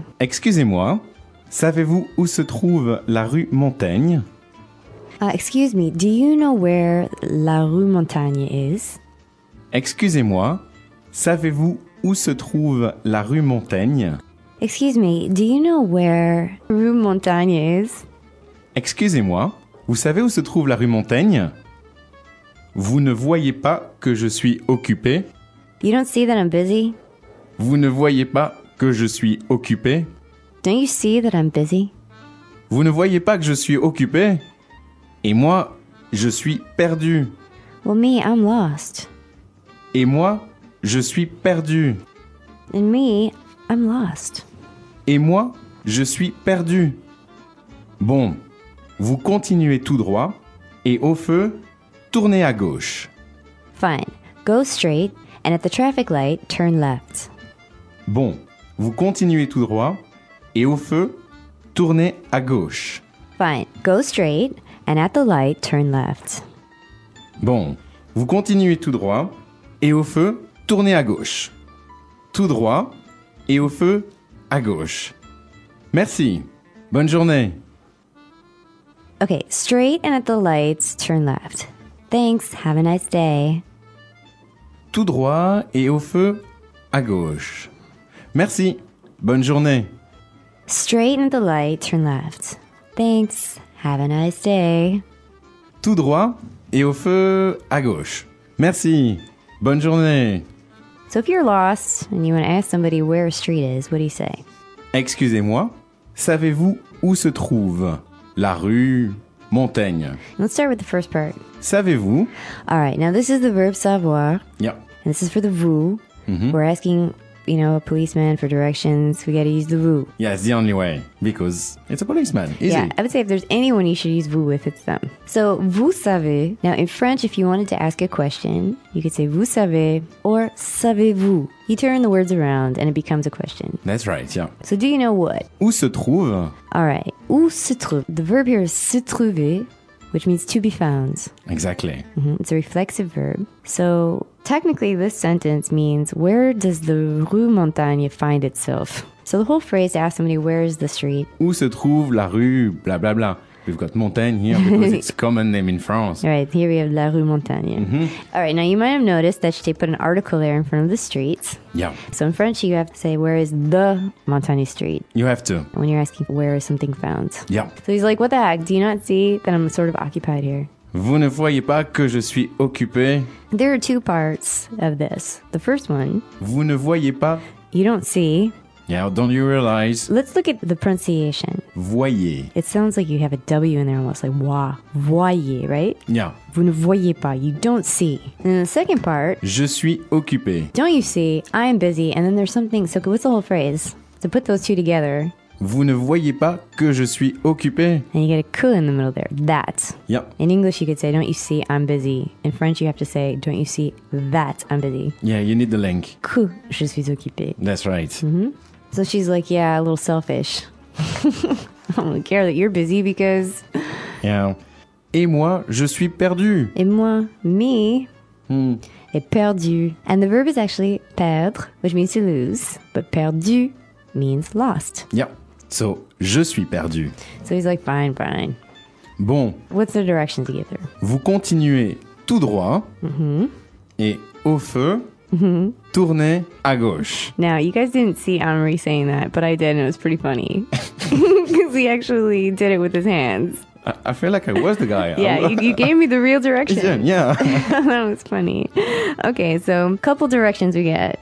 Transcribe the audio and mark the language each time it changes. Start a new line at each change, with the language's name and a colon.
French: Excusez-moi, savez-vous où se trouve la rue Montaigne?
English: Excuse me, do you know where la rue Montaigne is?
French: Excusez-moi, savez-vous où se trouve la rue Montaigne?
English: Excuse me, do you know where rue Montaigne is?
French: Excusez-moi, vous savez où se trouve la rue Montaigne? Vous ne voyez pas que je suis occupé?
English: You don't see that I'm busy?
French: Vous ne voyez pas que je suis occupé?
English: Don't you see that I'm busy?
French: Vous ne voyez pas que je suis occupé? Et moi, je suis perdu.
English: Well, me, I'm lost.
French: Et moi, je suis perdu.
English: And me, I'm lost.
French: Et moi, je suis perdu. Bon... Vous continuez tout droit, et au feu, tournez à gauche.
English: Fine. Go straight, and at the traffic light, turn left.
French: Bon. Vous continuez tout droit, et au feu, tournez à gauche.
English: Fine. Go straight, and at the light, turn left.
French: Bon. Vous continuez tout droit, et au feu, tournez à gauche. Tout droit, et au feu, à gauche. Merci. Bonne journée.
English: Okay, straight and at the lights, turn left. Thanks, have a nice day.
French: Tout droit et au feu, à gauche. Merci, bonne journée.
English: Straight and at the light, turn left. Thanks, have a nice day.
French: Tout droit et au feu, à gauche. Merci, bonne journée.
English: So if you're lost and you want to ask somebody where a street is, what do you say?
French: Excusez-moi, savez-vous où se trouve? La rue Montaigne.
English: Let's start with the first part.
French: Savez-vous?
English: All right, now this is the verb savoir. Yeah. And this is for the vous. Mm-hmm. We're asking, you know, a policeman for directions. We got to use the vous. Yeah, it's the only way because it's a policeman. Easy. Yeah, I would say if there's anyone you should use vous with, it's them. So,
French: vous savez.
English: Now, in French, if you wanted to ask a question, you could say
French: vous savez
English: or
French: savez-vous.
English: You turn the words around and it becomes a question. That's right, yeah. So, do you know what?
French: Où se trouve? All right. Où se trouve?
English: The verb here is se trouver, which means to be found. Exactly. Mm-hmm. It's a reflexive verb. So, technically, this sentence means, where does the Rue Montaigne find itself? So the whole phrase to ask somebody where is the street.
French: Où se trouve la rue, blah, blah, blah.
English: We've got Montaigne here because it's a common name in France. Right, here we have La Rue Montaigne. Mm-hmm. All right, now you might have noticed that she put an article there in front of the streets. Yeah. So in French, you have to say, where is the Montaigne Street? You have to. When you're asking, where is something found? Yeah. So he's like, what the heck? Do you not see that I'm sort of occupied here?
French: Vous ne voyez pas que je suis occupé?
English: There are two parts of this. The first one.
French: Vous ne voyez pas?
English: You don't see. Yeah, don't you realize? Let's look at the pronunciation.
French: Voyez.
English: It sounds like you have a W in there almost, like wa.
French: Voyez, right?
English: Yeah.
French: Vous ne voyez pas.
English: You don't see. And then the second part.
French: Je suis occupé.
English: Don't you see? I am busy. And then there's something. So what's the whole phrase? So put those two together.
French: Vous ne voyez pas que je suis occupé.
English: And you get a que in the middle there. That. Yeah. In English, you could say, don't you see I'm busy. In French, you have to say, don't you see that I'm busy. Yeah, you need the link.
French: Que je suis occupé.
English: That's right. Mm-hmm. So she's like, yeah, a little selfish. I don't care that you're busy because...
French: Yeah. Et moi, je suis perdu. Et moi, me, est perdu.
English: And the verb is actually perdre, which means to lose. But perdu means lost.
French: Yeah. So, je suis perdu.
English: So he's like, fine, fine.
French: Bon.
English: What's the direction to get there?
French: Vous continuez tout droit. Mm-hmm. Et au feu... Mm-hmm. Tournez à gauche.
English: Now, you guys didn't see Amory saying that, but I did, and it was pretty funny. Because he actually did it with his hands. I feel like I was the guy. Yeah, you gave me the real direction. Yeah. That was funny. Okay, so a couple directions we get.